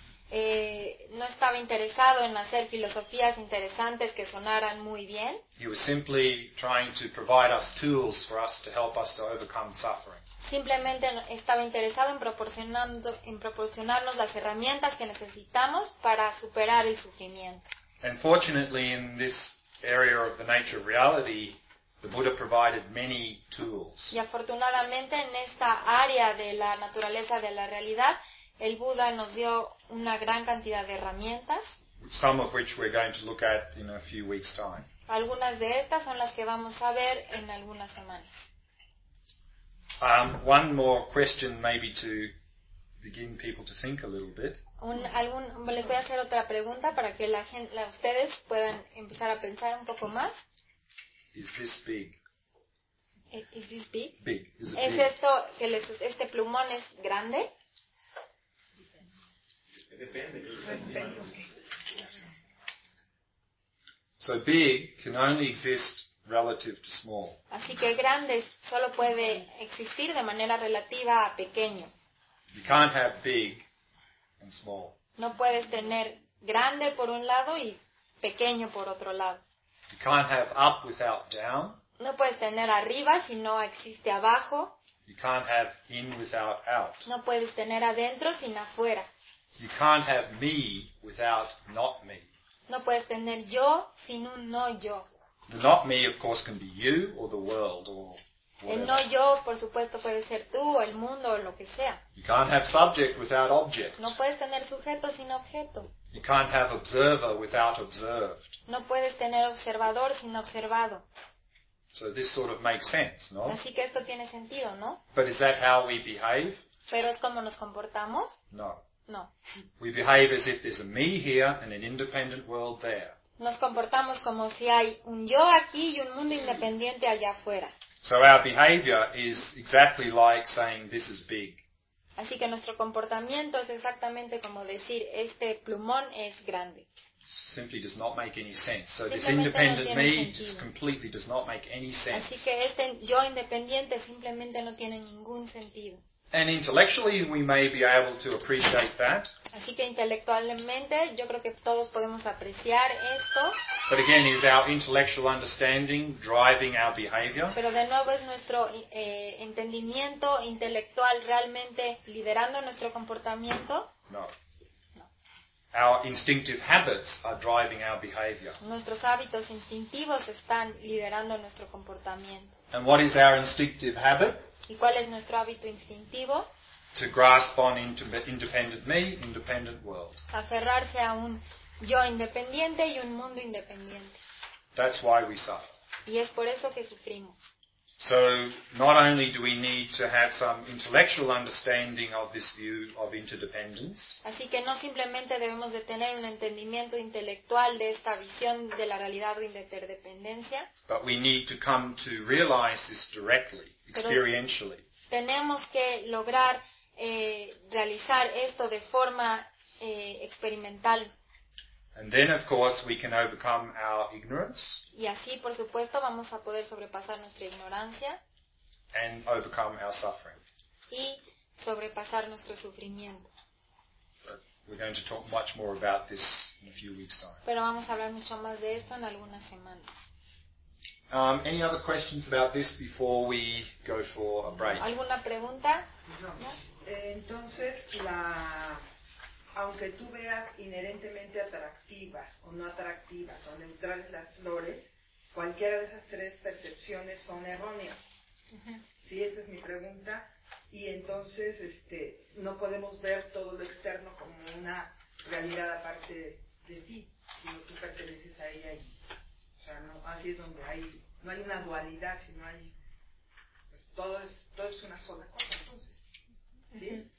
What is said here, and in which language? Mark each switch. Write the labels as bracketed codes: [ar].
[es] No estaba interesado en hacer filosofías interesantes que sonaran muy bien. [en] He was simply trying to provide us tools for us to help us to overcome suffering. [es] Simplemente estaba interesado en proporcionarnos las herramientas que necesitamos para superar el sufrimiento. [en] And fortunately, in this area of the nature of reality, the Buddha provided many tools. [es] Y afortunadamente en esta área de la naturaleza de la realidad, el Buda nos dio una gran cantidad de herramientas. [en] Some of which we're going to look at in a few weeks' time. [es] Algunas de estas son las que vamos a ver en algunas semanas. [en] One more question, maybe to begin people to think a little bit. [es] Les voy a hacer otra pregunta para que ustedes puedan empezar a pensar un poco más. [en] Is this big? Is this big? Big. Is it [es] ¿Es [en] big? [es] Esto que les, este plumón es grande? Depende. [en] So big can only exist relative to small. [es] Así que grande solo puede existir de manera relativa a pequeño. [en] You can't have big and small. [es] No puedes tener grande por un lado y pequeño por otro lado. [en] You can't have up without down. [es] No puedes tener arriba si no existe abajo. [en] You can't have in without out. [es] No puedes tener adentro sin afuera. [en] You can't have me without not me. [es] No puedes tener yo sin un no yo. [en] The not me, of course, can be you or the world or whatever. [es] El no yo, por supuesto, puede ser tú o el mundo o lo que sea. [en] You can't have subject without object. [es] No puedes tener sujeto sin objeto. [en] You can't have observer without observed. [es] No puedes tener observador sin observado. [en] So this sort of makes sense, no? [es] Así que esto tiene sentido, ¿no? [en] But is that how we behave? [es] ¿Pero es como nos comportamos? [en] No. [es] No. [en] We behave as if there's a me here and an independent world there. [es] Nos comportamos como si hay un yo aquí y un mundo independiente allá afuera. [en] So our behavior is exactly like saying this is big. [es] Así que nuestro comportamiento es exactamente como decir este plumón es grande. [en] Simply does not make any sense. So this independent me just completely does not make any sense. [es] Así que este yo independiente simplemente no tiene ningún sentido. [en] And intellectually we may be able to appreciate that. [es] Así que intelectualmente yo creo que todos podemos apreciar esto. [en] But again, is our intellectual understanding driving our behavior? [es] Pero de nuevo, ¿es nuestro entendimiento intelectual realmente liderando nuestro comportamiento? [en] No. Our instinctive habits are driving our behavior. [es] Nuestros hábitos instintivos están liderando nuestro comportamiento. [en] And what is our instinctive habit? [es] ¿Y cuál es nuestro hábito instintivo? [en] To grasp on independent me, independent world. [es] Aferrarse a un yo independiente y un mundo independiente. [en] That's why we suffer. [es] Y es por eso que sufrimos. [en] So, not only do we need to have some intellectual understanding of this view of interdependence. [es] Así que no simplemente debemos de tener un entendimiento intelectual de esta visión de la realidad o interdependencia. [en] But we need to come to realize this directly, experientially. [es] Tenemos que lograr realizar esto de forma experimental. [en] And then, of course, we can overcome our ignorance. [es] Y así, por supuesto, vamos a poder sobrepasar nuestra ignorancia. [en] And overcome our suffering. [es] Y sobrepasar nuestro sufrimiento. [en] But we're going to talk much more about this in a few weeks' time. [es] Pero vamos a hablar mucho más de esto en algunas semanas. [en] Any other questions about this before we go for a break? [es] ¿Alguna pregunta? No. Entonces, aunque tú veas inherentemente atractivas o no atractivas o neutrales las flores, cualquiera de esas tres percepciones son erróneas. Sí, esa es mi pregunta. Y entonces, no podemos ver todo lo externo como una realidad aparte de ti, sino tú perteneces a ella y, o sea, no, así es donde hay, no hay una dualidad, sino hay, pues todo es una sola cosa, entonces. ¿Sí?